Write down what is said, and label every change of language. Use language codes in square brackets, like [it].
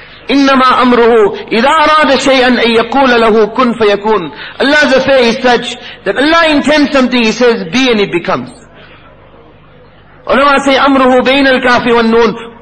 [ar] إِنَّمَا أَمْرُهُ إِذَا أَرَادَ شَيْئًا أَن يَقُولَ لَهُ كُنْ فَيَكُونَ. [en] Allah's affair is such that Allah intends something, He says, be and it becomes. Ulama say, [ar] أَمْرُهُ بَيْنَ الْكَافِ وَالنُّونَ.